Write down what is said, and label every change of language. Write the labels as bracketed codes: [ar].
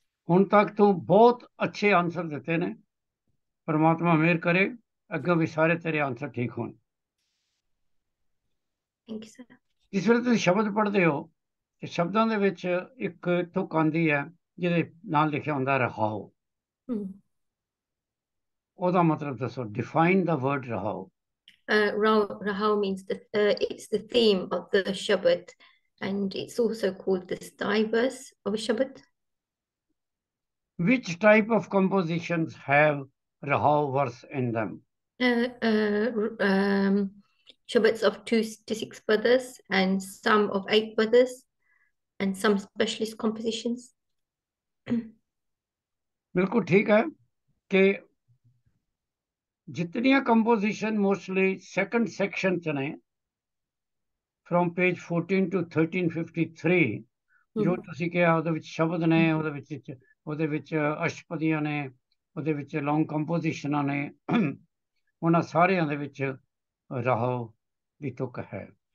[pa] ਹੁਣ ਤੱਕ ਤੂੰ ਬਹੁਤ ਅੱਛੇ ਆਨਸਰ ਦਿੱਤੇ ਨੇ, ਪਰਮਾਤਮਾ ਮਿਹਰ ਕਰੇ ਅੱਗੋਂ ਵੀ ਸਾਰੇ ਤੇਰੇ ਆਨਸਰ ਠੀਕ ਹੋਣ। ਜਿਸ ਵੇਲੇ ਤੁਸੀਂ ਸ਼ਬਦ ਪੜ੍ਹਦੇ ਹੋ ਤੇ ਸ਼ਬਦਾਂ ਦੇ ਵਿੱਚ ਇੱਕ ਤੁੱਕ ਆਉਂਦੀ ਹੈ ਜਿਹਦੇ ਨਾਲ ਲਿਖਿਆ ਹੁੰਦਾ ਰਹਾਓ, ਉਹਦਾ ਮਤਲਬ ਦੱਸੋ, ਡਿਫਾਈਨ ਦਾ ਵਰਡ ਰਹਾਓ। [en] Rahao means that it's the theme of the Shabad, and it's also called the style verse of a Shabad. Which type of compositions have Rahao verse in them? Shabbats of 2 to 6 brothers, and some of 8 brothers, and some specialist compositions. [pa] ਬਿਲਕੁਲ ਠੀਕ ਹੈ ਕਿ ਜਿਤਨੀਆਂ composition mostly second section 'ਚ ਨੇ, [en] from page 14 to 1353, [pa] ਜੋ ਤੁਸੀਂ ਕਿਹਾ ਉਹਦੇ ਵਿੱਚ ਸ਼ਬਦ ਨੇ, ਉਹਦੇ ਵਿੱਚ ਅਸ਼ਟਪਦੀਆਂ ਨੇ, ਉਹਦੇ ਵਿੱਚ ਲੌਂਗ ਕੰਪੋਜੀਸ਼ਨਾਂ ਨੇ, ਉਹਨਾਂ ਸਾਰਿਆਂ ਦੇ ਵਿੱਚ ਰਹਾਓ ਦੀ ਤੁੱਕ ਹੈ।